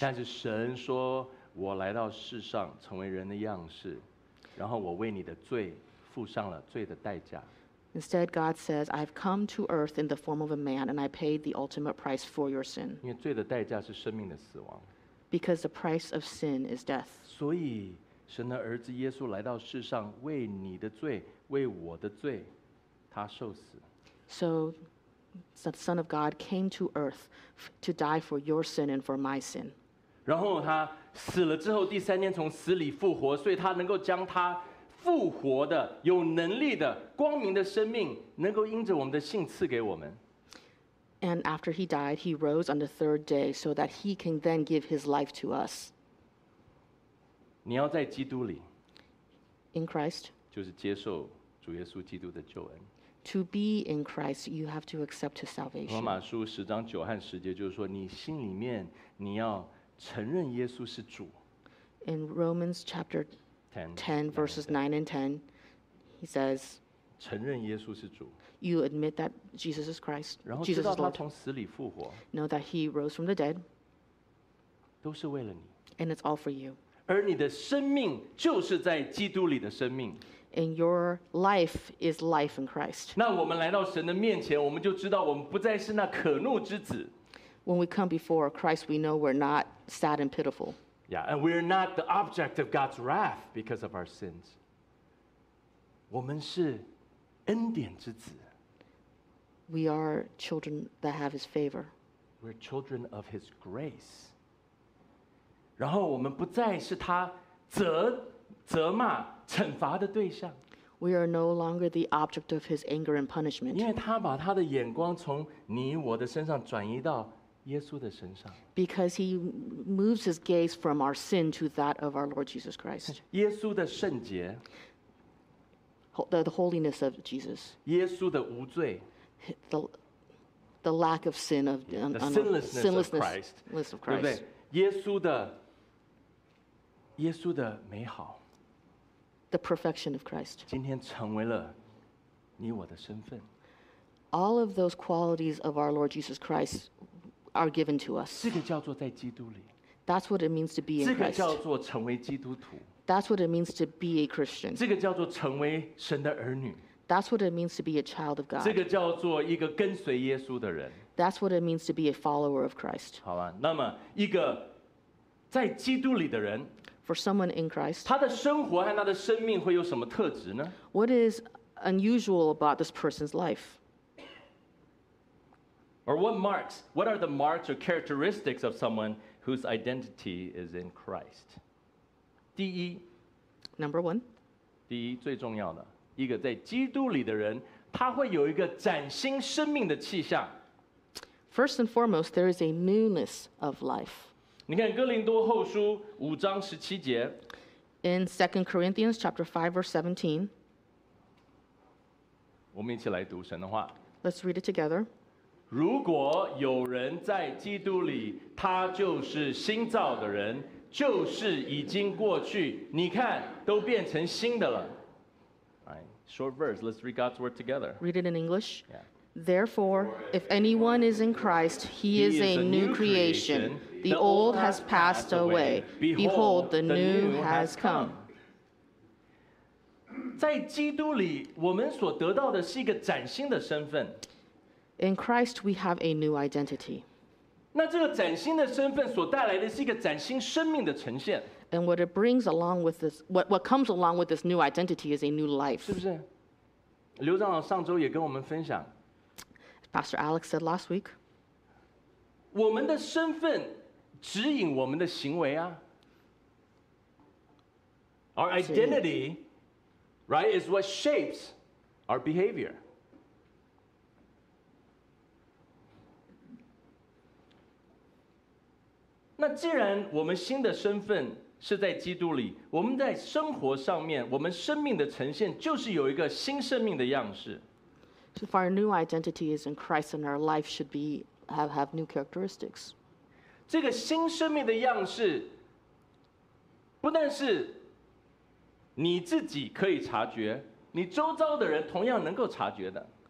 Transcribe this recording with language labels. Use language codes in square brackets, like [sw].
[zh] 但是神说，我来到世上成为人的样式，然后我为你的罪付上了罪的代价。 [en] Instead, God says, I've come to earth in the form of a man and I paid the ultimate price for your sin. [zh] 因为罪的代价是生命的死亡。 [en] Because the price of sin is death. [zh] 所以神的儿子耶稣来到世上，为你的罪，为我的罪，他受死。 [en] So, the Son of God came to earth to die for your sin and for my sin. [zh] 然后他死了之后，第三天从死里复活，所以他能够将他复活的、有能力的、光明的生命，能够因着我们的信赐给我们。 [en] And after he died, he rose on the third day so that he can then give his life to us. [zh] 你要在基督里 [en] ，in Christ， [zh] 就是接受主耶稣基督的救恩。 [en] To be in Christ, you have to accept His salvation. [zh] 罗马书十章九和十节就是说，你心里面你要承认耶稣是主。 [en] In Romans chapter 10 verses 9 and 10, he says, [zh] 承认耶稣是主。 [en] You admit that Jesus is Christ. [zh] 然后知道他从死里复活。 [en] Know that He rose from the dead. [zh] 都是为了你。 [en] And it's all for you. [zh] 而你的生命就是在基督里的生命。 [en] And your life is life in Christ. [zh] 那我们来到神的面前，我们就知道我们不再是那可怒之子。 [en] When we come before Christ, we know we're not sad and pitiful. Yeah, and we're not the object of God's wrath because of our sins. [zh] 我们是恩典之子。 [en] We are children that have His favor. We're children of His grace. [zh] 然后我们不再是他责骂、惩罚的对象。 [en] We are no longer the object of his anger and punishment. [zh] 因为他把他的眼光从你我的身上转移到耶稣的身上。 [en] Because he moves his gaze from our sin to that of our Lord Jesus Christ. [zh] 耶稣的圣洁。 [en] The holiness of Jesus. [zh] 耶稣的无罪。 [en] The lack of sin of sinlessness of Christ. [zh] 对不对？耶稣的美好。 [en] The perfection of Christ. [zh] 今天成为了你我的身份。 [en] All of those qualities of our Lord Jesus Christ are given to us. [zh] 这个叫做在基督里。 [en] That's what it means to be in Christ. [zh] 这个叫做成为基督徒。 [en] That's what it means to be a Christian. [zh] 这个叫做成为神的儿女。 [en] That's what it means to be a child of God. [zh] 这个叫做一个跟随耶稣的人。 [en] That's what it means to be a follower of Christ. [zh] 好吧，那么一个在基督里的人。 [en] For someone in Christ, [zh] 他的生活和他的生命会有什么特质呢？ [en] What is unusual about this person's life? Or what marks? What are the marks or characteristics of someone whose identity is in Christ? [zh] 第一 [en] ，Number one， [zh] 第一最重要的，一个在基督里的人，他会有一个崭新生命的气象。 [en] First and foremost, there is a newness of life. [zh] 你看哥林多后书五章十七节 [en] ，In Second Corinthians chapter 5 verse 17， [zh] 我们一起来读神的话。 [en] Let's read it together。 [zh] 如果有人在基督里，他就是新造的人，旧事已经过去，你看都变成新的了。 [en] All right, short verse. Let's read God's word together. Read it in English. Yeah. Therefore, if anyone is in Christ, he is a new creation. The old has passed away. Behold, the new has come. [zh] 在基督里，我们所得到的是一个崭新的身份。 [en] In Christ, we have a new identity. [zh] 那这个崭新的身份所带来的是一个崭新生命的呈现。 [en] And what it brings along with this, what comes along with this new identity is a new life. [zh] 是不是？刘长老上周也跟我们分享。 [en] Pastor Alex said last week, [zh] 我们的身份指引我们的行为啊。 [en] Our identity, right, is what shapes our behavior. [zh] 那既然我们新的身份是在基督里，我们在生活上面，我们生命的呈现就是有一个新生命的样式。 [en] If our new identity is in Christ, and our life should be have new characteristics. [zh] 这个新生命的样式，不但是你自己可以察觉，你周遭的人同样能够察觉的。